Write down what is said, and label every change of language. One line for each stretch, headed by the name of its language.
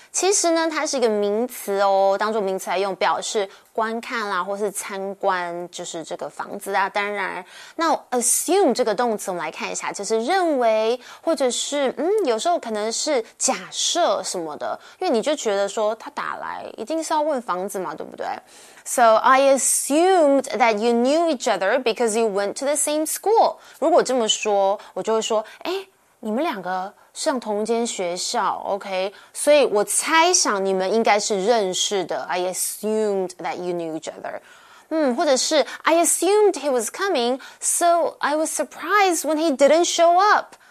Chinese: 其实呢，它是一个名词哦，当作名词来用，表示观看啦，或是参观，就是这个房子啊，当然。那 assume 这个动词我们来看一下，就是认为，或者是有时候可能是假设什么的，因为你就觉得说他打来一定是要问房子嘛，对不对？
English: So I assumed that you knew each other because you went to the same school.
Chinese: 如果这么说，我就会说，你们两个上同间学校 ，OK？所以我猜想你们应该是认识的。
English: I assumed that you knew each other.
Chinese: 或者是
English: I assumed he was coming, so I was surprised when he didn't show up.